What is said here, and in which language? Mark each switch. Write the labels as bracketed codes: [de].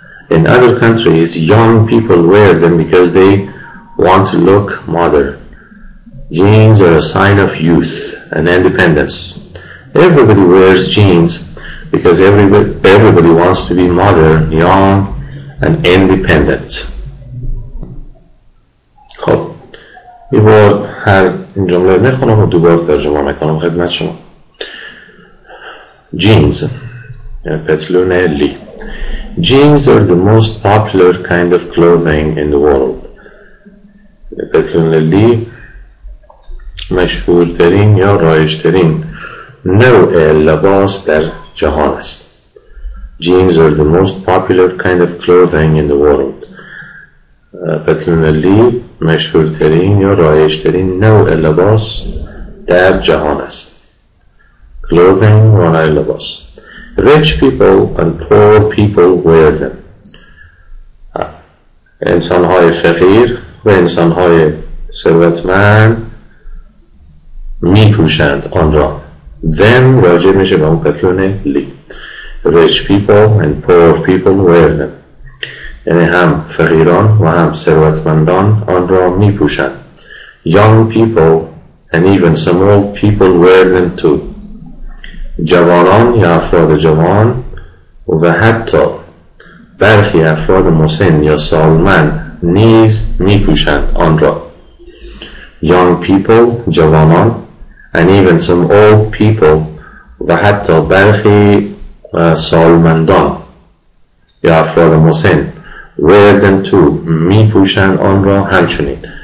[en] In other countries, young people wear them because they want to look modern. Jeans are a sign of youth and independence. Everybody wears jeans because everybody wants to be modern, young, and independent. [fa] خب یه بار هر این جمله میخونم و دوبار ترجمه میکنم خدمت شما. Jeans پتلون لی. [en] Jeans are the most popular kind of clothing in the world. [fa] پتلون لی مشهورترین یا رایج‌ترین نوع لباس در جهان است. [en] Jeans are the most popular kind of clothing in the world. [fa] پتلون لی مشهورترین یا رایج‌ترین نوع لباس در جهان است. [en] Clothing [fa] معنی لباس. [en] Rich people and poor people wear them. [fa] انسان‌های فقیر و انسان‌های ثروتمند می پوشند آن را. [en] Then [fa] راجع میشه به اون پتلون لی. [en] Rich people and poor people wear them. [fa] یعنی هم فقیران و هم ثروتمندان آن را می پوشند. [en] Young people and even some old people wear them too. [fa] جوانان یا افراد جوان و حتی برخی افراد مسن یا سالمند نیز می پوشند آن را. [en] Young people, [fa] جوانان [en] and even some old people [fa] و حتی برخی سالمندان یا افراد مسن [en] wear them too [fa] می پوشند آن را همچنین.